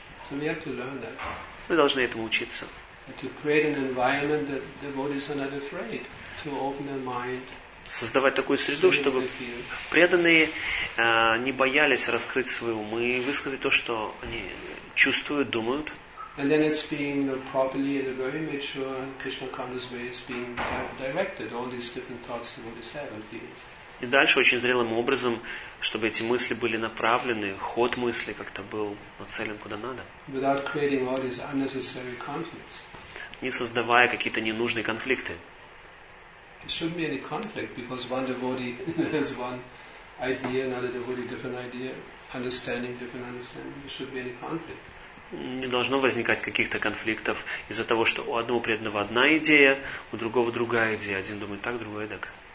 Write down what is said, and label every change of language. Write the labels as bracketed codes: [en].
[ru] Мы должны этому учиться. [en] To create an environment that devotees are not afraid to open their mind. [ru] Создавать такую среду, чтобы преданные не боялись раскрыть свои умы и высказать то, что они чувствуют, думают. [en] And then it's being, you know, properly in a very mature Krishna conscious way is being directed all these different thoughts that devotees have and feelings. [ru] И дальше очень зрелым образом, чтобы эти мысли были направлены, ход мысли как-то был нацелен куда надо. [en] Without creating all these unnecessary conflicts. [ru] Не создавая какие-то ненужные конфликты. [en] There shouldn't be any conflict, because one devotee has one idea, another devotee different idea, understanding, different understanding. There shouldn't be any conflict. [ru] Не должно возникать каких-то конфликтов из-за того, что у одного преданного одна идея, у другого другая идея. Один думает так, другой эдак.